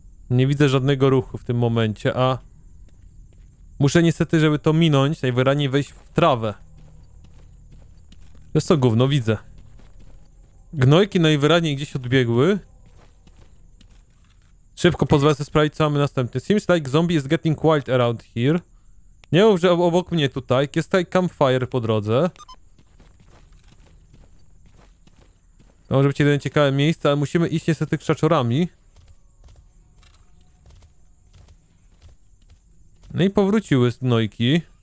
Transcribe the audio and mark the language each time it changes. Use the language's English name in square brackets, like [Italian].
[Polish] Nie widzę żadnego ruchu w tym momencie, a muszę niestety, żeby to minąć, najwyraźniej wejść w trawę. Jest to gówno, widzę. Gnojki najwyraźniej gdzieś odbiegły. Szybko pozwolę sobie sprawdzić, co mamy następny. [English] Seems like zombie is getting wild around here. [Polish] Nie mów, że obok mnie tutaj. Jest tutaj campfire po drodze. To może być jedyne ciekawe miejsce, ale musimy iść niestety krzaczorami. No i powróciły z gnojki.